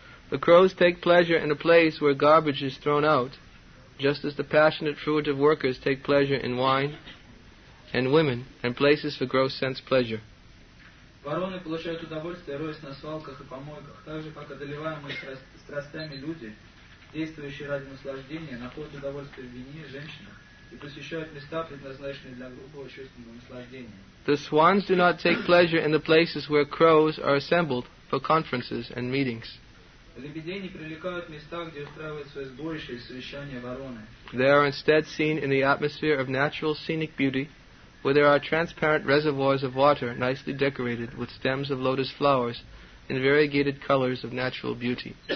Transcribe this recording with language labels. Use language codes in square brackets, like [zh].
[en] The crows take pleasure in a place where garbage is thrown out, just as the passionate fruit of workers take pleasure in wine and women and places for gross sense pleasure. [ru] Вороны получают удовольствие, роясь на свалках и помойках, так же, как одолеваемые страстями люди, действующие ради наслаждения, находят удовольствие в вине, женщинах, и посещают места, предназначенные для глубокого чувственного наслаждения. [en] The swans do not take pleasure in the places where crows are assembled for conferences and meetings. [ru] Лебедей не привлекают места, где устраивают свои сборища и совещания вороны. [en] They are instead seen in the atmosphere of natural scenic beauty, where there are transparent reservoirs of water nicely decorated with stems of lotus flowers in variegated colors of natural beauty.